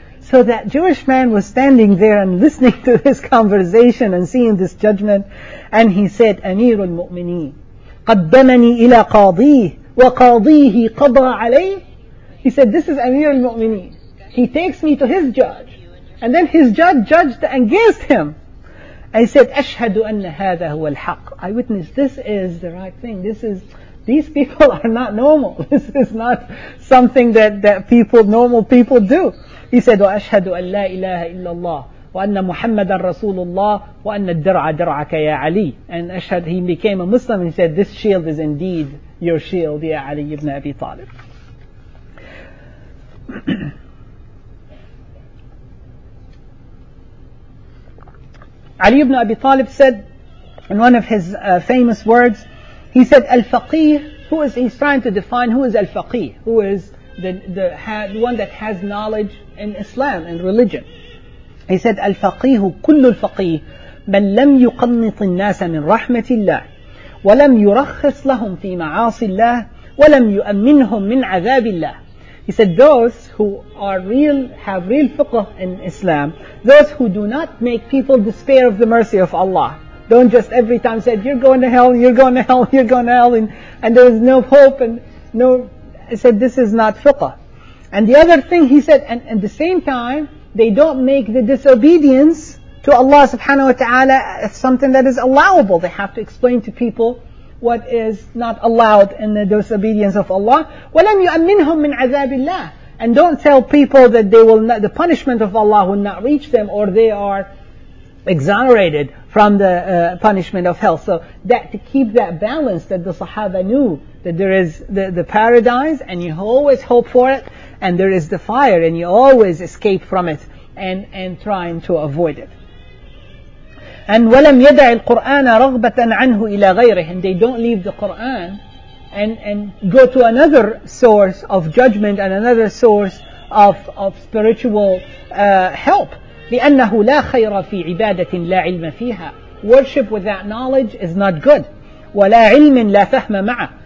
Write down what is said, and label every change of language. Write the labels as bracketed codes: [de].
[en] So that Jewish man was standing there and listening to this conversation and seeing this judgment, and he said, "Amir al-Mu'mineen [ar] قدمني إلى قاضيه وقاضيه قضى عليه." [en] He said, "This is Amir al-Mu'mineen. He takes me to his judge, and then his judge judged against him." I said, [ar] "أشهد أن هذا هو الحق." [en] I witness this is the right thing. These people are not normal. This is not something that people, normal people do. He said, [ar] "وأشهد أن لا إله إلا الله وأن محمدا رسول الله وأن الدرع درعك يا علي. [en] And أشهد, he became a Muslim and said, this shield is indeed your shield, يا علي ابن أبي طالب. علي ابن أبي طالب said in one of his famous words, he said, الفقيه, who is, he's trying to define who is الفقيه, who is the one that has knowledge in Islam and religion. He said, [ar] الفقيه كل الفقيه من لم يقنط الناس من رحمة الله ولم يرخص لهم في معاصي الله ولم يؤمنهم من عذاب الله. [en] He said, those who are real, have real fiqh in Islam, those who do not make people despair of the mercy of Allah, don't just every time say, you're going to hell, you're going to hell, you're going to hell, and there is no hope, and no, I said, this is not fiqh. And the other thing he said, and at the same time, they don't make the disobedience to Allah subhanahu wa ta'ala something that is allowable. They have to explain to people what is not allowed in the disobedience of Allah. [ar] وَلَمْ يُؤَمِّنْهُمْ مِنْ عَذَابِ اللَّهِ. [en] And don't tell people that they will not, the punishment of Allah will not reach them, or they are exonerated from the punishment of hell. So that, to keep that balance that the Sahaba knew, that there is the paradise and you always hope for it, and there is the fire and you always escape from it and trying to avoid it. [ar] And وَلَمْ يَدَعِ الْقُرْآنَ رَغْبَةً عَنْهُ إِلَىٰ غَيْرِهِ. [en] And they don't leave the Qur'an and go to another source of judgment and another source of spiritual help. [ar] لِأَنَّهُ لَا خَيْرَ فِي عِبَادَةٍ لَا عِلْمَ فِيهَا. [en] Worship without knowledge is not good. [ar] وَلَا عِلْمٍ لَا فَهْمَ مَعَ.